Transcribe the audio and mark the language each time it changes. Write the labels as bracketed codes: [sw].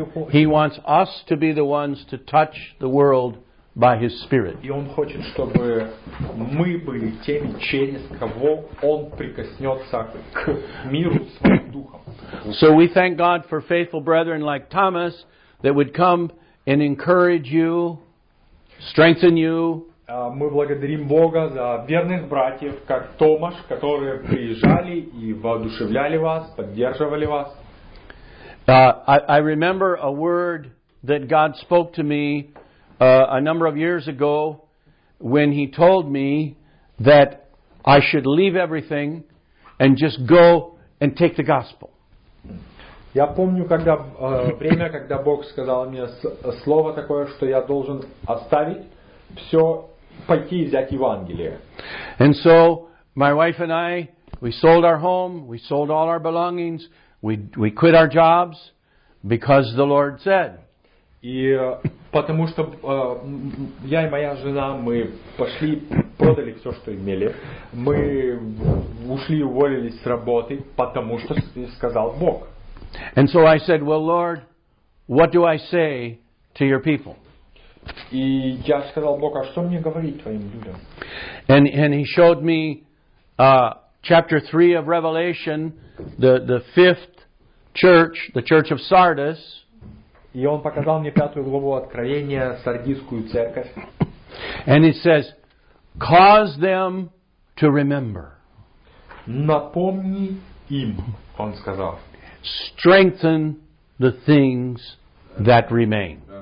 [en] He wants us to be the ones to touch the world by his Spirit. [ru] И он хочет, чтобы мы были теми, через кого он прикоснется к миру своим духом. [en] So we thank God for faithful brethren like Thomas that would come and encourage you, strengthen you. [ru] Мы благодарим Бога за верных братьев, как Томаш, которые приезжали и воодушевляли вас, поддерживали вас. [en] I remember a word that God spoke to me a number of years ago when he told me that I should leave everything and just go and take the gospel. [ru] Я помню, когда время, когда Бог сказал мне слово такое, что я должен оставить все, пойти и взять Евангелие. [en] And so My wife and I, we sold our home, we sold all our belongings, we quit our jobs because the Lord said. [ru] И потому что я и моя жена, мы пошли, продали все, что имели. Мы ушли, уволились с работы, потому что сказал Бог. [en] And so I said, well, Lord, what do I say to your people? [ru] И я сказал, Бог, а что мне говорить твоим людям? [en] And he showed me chapter 3 of Revelation, the fifth church, the church of Sardis. [ru] И он показал мне пятую главу Откровения, Сардийскую церковь. [en] And it says, cause them to remember. [ru] Напомни им, он сказал. [en] Strengthen the things that remain.